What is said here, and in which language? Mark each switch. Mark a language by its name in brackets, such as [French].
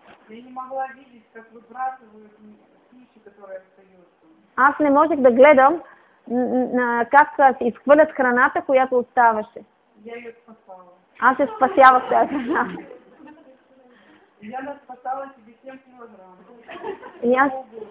[Russian] Я не могла видеть, как выбрасывают пищу, которая остается. [Bulgarian] Аз не можех да гледам как изхвърлят храната, която оставаше. [Russian] Я ее спасала. [Bulgarian] Аз я спасявах тази храна. [Russian] Я на спасала себе 7 килограмм.